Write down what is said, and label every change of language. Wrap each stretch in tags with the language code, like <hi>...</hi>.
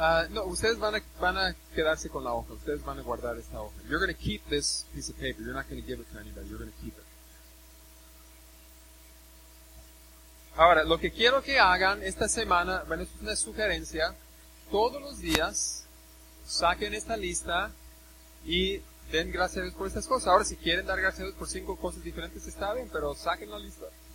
<es>No, ustedes van a quedarse con la hoja. Ustedes van a guardar esta hoja.</es> <en>You're going to keep this piece of paper. You're not going to give it to anybody. You're going to keep it.</en> <es>Ahora, lo que quiero que hagan esta semana, bueno, es una sugerencia. Todos los días saquen esta lista y den gracias a Dios por estas cosas. Ahora, si quieren dar gracias a Dios por 5 cosas diferentes, está bien, pero saquen la lista.</es>